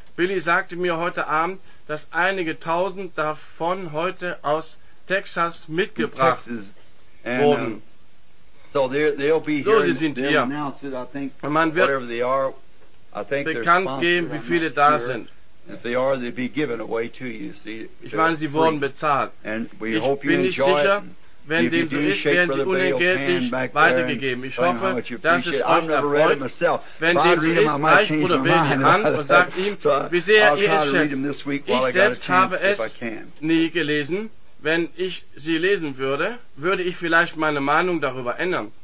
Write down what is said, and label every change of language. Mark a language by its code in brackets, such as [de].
[de] Billy sagte mir heute Abend, dass einige tausend davon heute aus Texas mitgebracht wurden. So, sie sind hier. Und man wird bekannt geben, wie viele da sind. [en] If they are, they'd be given away to you. [de] Ich meine, sie wurden bezahlt. Ich bin nicht sicher. Wenn dem so ist, werden sie unentgeltlich weitergegeben. Ich hoffe, dass es euch erfreut. Wenn dem so ist, reicht Bruder Will die Hand und sagt ihm, wie sehr ihr es schätzt. Ich selbst habe es nie gelesen. Wenn ich sie lesen würde, würde ich vielleicht meine Meinung darüber ändern.